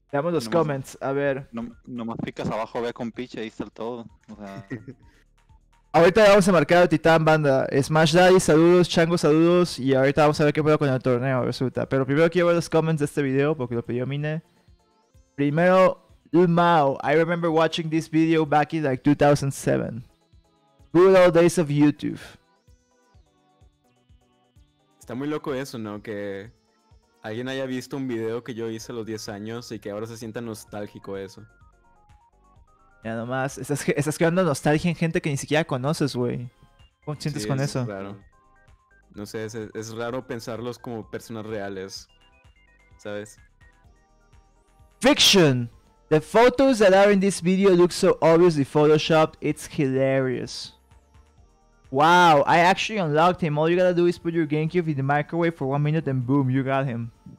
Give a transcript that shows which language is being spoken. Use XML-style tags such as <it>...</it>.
<es>Veamos los comments, a ver. Nomás picas abajo, ve con piche, ahí está el todo. Ahorita vamos a marcar a Titán Banda. Smash Daddy, saludos, Chango, saludos. Y ahorita vamos a ver qué puedo con el torneo, resulta. Pero primero quiero ver los comments de este video, porque lo pidió Mine. Primero, Lil Mao.</es> <en>I remember watching this video back in like 2007. Good old days of YouTube.</en> <es>Está muy loco eso, ¿no? Que alguien haya visto un video que yo hice a los 10 años y que ahora se sienta nostálgico eso. Ya nomás, estás creando nostalgia en gente que ni siquiera conoces, güey. ¿Cómo te sientes sí, con eso? Es raro. No sé, es raro pensarlos como personas reales, ¿sabes?</es> <en>Fiction. The photos that are in this video look so obviously photoshopped, it's hilarious. Wow, I actually unlocked him. All you gotta do is put your GameCube in the microwave for 1 minute and boom, you got him.</en>